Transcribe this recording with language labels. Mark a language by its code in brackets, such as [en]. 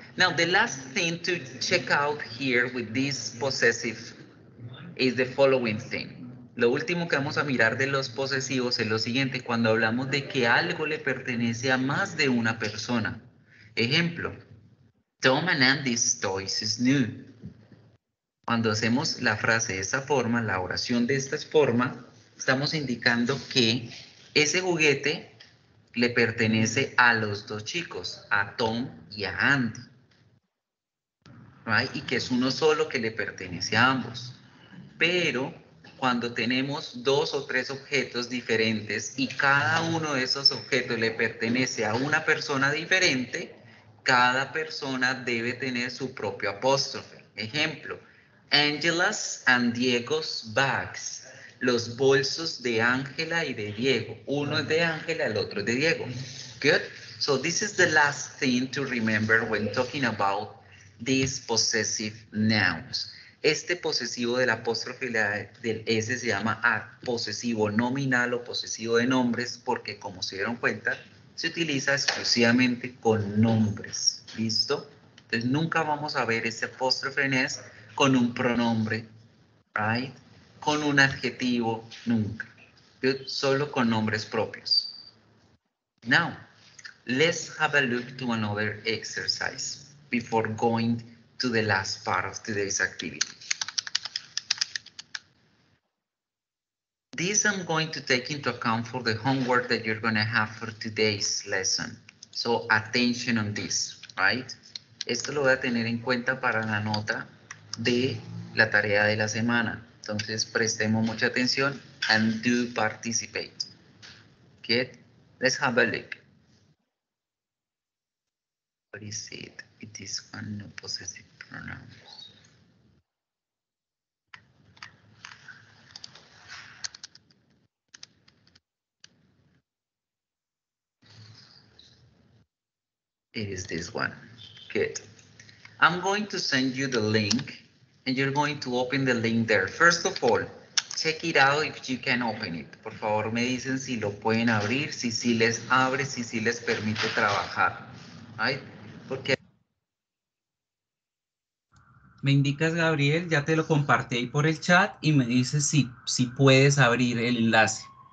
[en] Now, the last thing to check out here with this possessive is the following thing. [es] Lo último que vamos a mirar de los posesivos es lo siguiente. Cuando hablamos de que algo le pertenece a más de una persona. [en] Ejemplo, Tom and Andy's toys is new. [es] Cuando hacemos la frase de esta forma, la oración de esta forma, estamos indicando que Ese juguete le pertenece a los dos chicos, a Tom y a Andy. Right? Y que es uno solo que le pertenece a ambos. Pero cuando tenemos dos o tres objetos diferentes y cada uno de esos objetos le pertenece a una persona diferente, cada persona debe tener su propio apóstrofe. Ejemplo, Angela's and Diego's bags, los bolsos de Ángela y de Diego. Uno es de Ángela, el otro es de Diego. [en] Good. So this is the last thing to remember when talking about these possessive nouns. [es] Este posesivo del apóstrofe del S se llama posesivo nominal o posesivo de nombres porque, como se dieron cuenta, se utiliza exclusivamente con nombres. ¿Listo? Entonces, nunca vamos a ver ese apóstrofe en S con un pronombre, right? Con un adjetivo, nunca. Solo con nombres propios. [en] Now, let's have a look to another exercise before going to the last part of today's activity. This I'm going to take into account for the homework that you're going to have for today's lesson. So attention on this, right? [es] Esto lo voy a tener en cuenta para la nota de la tarea de la semana. Entonces prestemos mucha atención and do participate. [en] Okay, let's have a look. What is it? It is one no possessive pronoun. It is this one. Good. I'm going to send you the link and you're going to open the link there. First of all, check it out if you can open it. [es] Por favor, me dicen si lo pueden abrir, si sí les abre, si sí les permite trabajar. Right? Porque me indicas, Gabriel, ya te lo compartí ahí por el chat y me dices si puedes abrir el enlace.